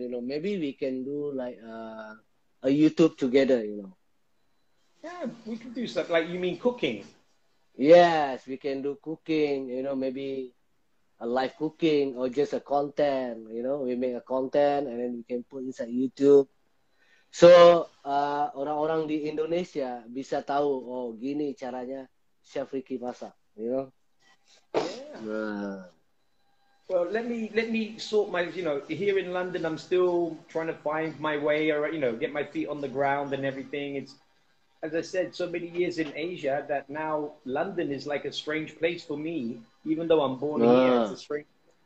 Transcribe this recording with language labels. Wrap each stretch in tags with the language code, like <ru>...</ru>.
<en>You know, maybe we can do like a YouTube together. You know. Yeah, we can do stuff like you mean cooking. Yes, we can do cooking. You know, maybe a live cooking or just a content. You know, we make a content and then we can put inside YouTube.</en> <id>So orang-orang di Indonesia bisa tahu oh gini caranya. Chef Ricky masak,</id> <en>you know. Yeah. Well, let me sort my, you know, here in London, I'm still trying to find my way or, you know, get my feet on the ground and everything. It's, as I said, so many years in Asia that now London is like a strange place for me, even though I'm born here, it's a strange place.</en>